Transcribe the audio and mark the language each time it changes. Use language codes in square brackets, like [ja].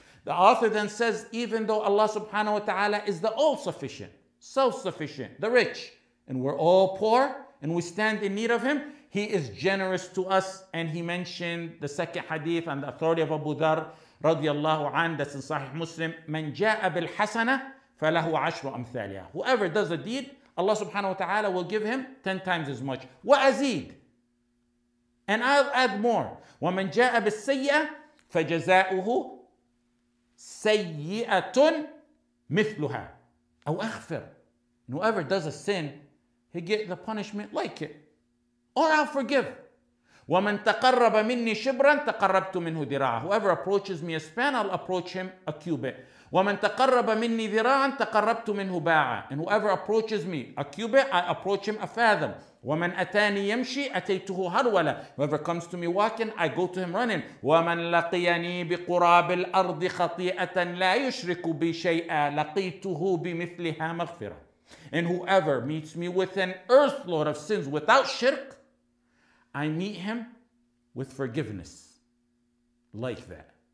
[en] The author then says, even though Allah subhanahu wa ta'ala is the all-sufficient, self-sufficient, the rich, and we're all poor and we stand in need of him, he is generous to us. And he mentioned the second hadith and the authority of Abu Dharr radiallahu anhu, that's in Sahih Muslim, [ar] من جاء بالحسنة فله عشر أمثالها. [en] Whoever does a deed, Allah subhanahu wa ta'ala will give him 10 times as much. [ar] وأزيد. [en] And I'll add more. [ar] ومن جاء بالسيئة فجزاؤه سيئة مثلها. أو أغفر. [en] Whoever does a sin, he get the punishment like it. Or I'll forgive. [ar] وَمَنْ تَقَرَّبَ مِنِّي شِبْرًا تَقَرَّبْتُ مِنْهُ ذِرَاعًا. [en] Whoever approaches me a span, I'll approach him a cubit. [ar] وَمَنْ تَقَرَّبَ مِنِّي ذِرَاعًا تَقَرَّبْتُ مِنْهُ بَاعًا. [en] And whoever approaches me a cubit, I approach him a fathom. [ar] وَمَنْ أَتَانِي يَمْشِي أَتَيْتُهُ هَرْوَلًا. [en] Whoever comes to me walking, I go to him running. [ar] وَمَنْ لَقِيَنِي بِقُرَابِ الْأَرْضِ خَطِيئَةً لَا يُشْرِكُ بِي شَيْئًا لَقِيتُهُ بِمِثْلِهَا مَغْفِرًا. [en] And whoever meets me with an earth load of sins without shirk, I meet him with forgiveness like that.